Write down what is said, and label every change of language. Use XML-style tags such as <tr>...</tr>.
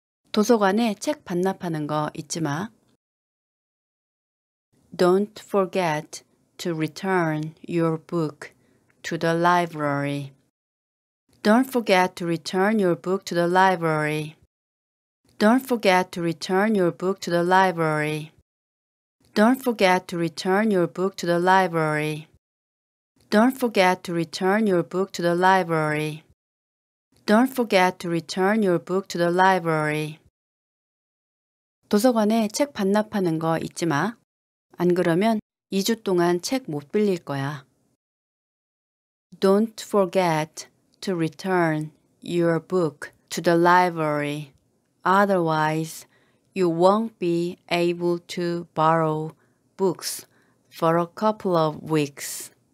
<ko>도서관에 책 반납하는 거 잊지 마.</ko> <en>Don't forget to return your book to the library. Don't forget to return your book to the library. Don't forget to return your book to the library. Don't forget to return your book to the library. Don't forget to return your book to the library. Don't forget to return your book to the library.</en> <ko>도서관에 책 반납하는 거 잊지 마. 안 그러면 2주 동안 책 못 빌릴 거야.</ko> <en>Don't forget to return your book to the library. Otherwise, you won't be able to borrow books for a couple of weeks.</en>